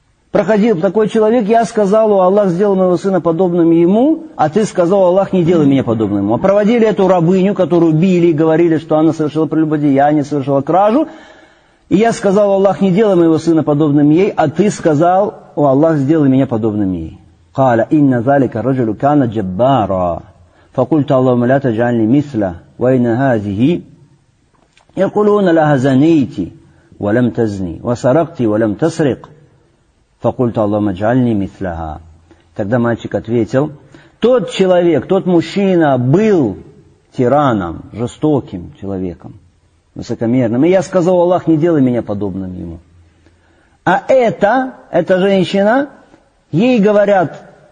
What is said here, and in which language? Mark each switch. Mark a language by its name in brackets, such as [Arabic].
[Russian] Проходил такой человек, я сказал, о Аллах, сделай моего сына подобным ему, а ты сказал, о Аллах, не делай меня подобным ему. А проводили эту рабыню, которую били, говорили, что она совершила прелюбодеяние, совершила кражу, и я сказал, о Аллах, не делай моего сына подобным ей, а ты сказал, о Аллах, сделай меня подобным ей. [Arabic] Каля, инна залика раджулю кана джаббара. فقلت اللهم لا تجعلني مثله وإن هذه يقولون لها زنيتي ولم تزني وسرقتي ولم تسرق فقلت اللهم اجعلني مثلها. [Russian] Тогда мальчик ответил, тот человек, тот мужчина был тираном, жестоким человеком, высокомерным. И я сказал, Аллах, не делай меня подобным ему. А эта женщина, ей говорят,